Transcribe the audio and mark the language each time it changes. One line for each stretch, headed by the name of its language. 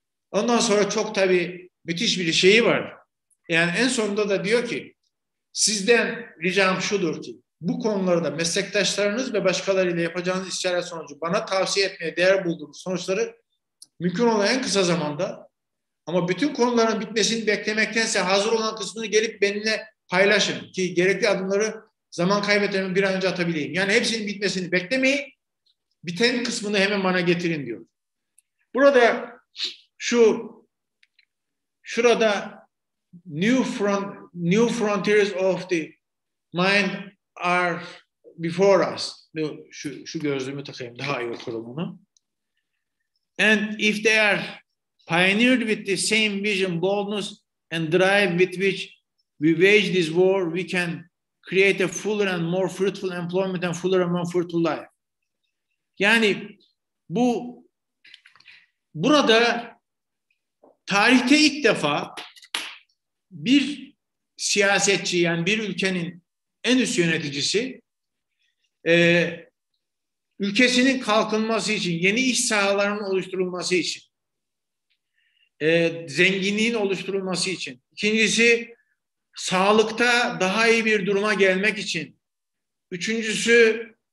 Turkish: Ondan sonra çok tabii müthiş bir şeyi var. Yani en sonunda da diyor ki, sizden ricam şudur ki, bu konularda meslektaşlarınız ve başkalarıyla yapacağınız işler sonucu bana tavsiye etmeye değer bulduğunuz sonuçları mümkün olan en kısa zamanda, ama bütün konuların bitmesini beklemektense hazır olan kısmını gelip benimle paylaşın ki gerekli adımları zaman kaybetmeden bir an önce atabileyim. Yani hepsinin bitmesini beklemeyin, biten kısmını hemen bana getirin diyor. Burada şurada
English: new frontiers of the mind are before us.
Turkish: Şu gözlüğümü takayım, daha iyi okurum onu.
English: And if they are pioneered with the same vision, boldness and drive with which we wage this war, we can create a fuller and more fruitful employment and fuller and more fruitful life.
Turkish: Yani bu burada tarihte ilk defa bir siyasetçi, yani bir ülkenin en üst yöneticisi ülkesinin kalkınması için, yeni iş sahalarının oluşturulması için, zenginliğin oluşturulması için, ikincisi sağlıkta daha iyi bir duruma gelmek için, üçüncüsü